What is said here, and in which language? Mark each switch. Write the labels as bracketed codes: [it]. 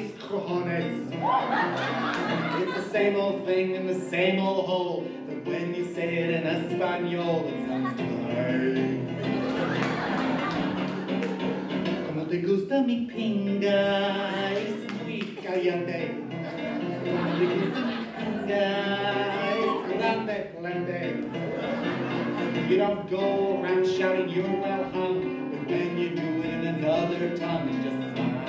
[en] It's the same old thing in the same old hole, but when you say it in Espanol, it sounds fine. [es] Como te gusta mi pinga, es muy caliente. Como te gusta mi pinga, es grande, grande. [en] You don't go around shouting you're well hung, but when you do it in another tongue, it's just fine.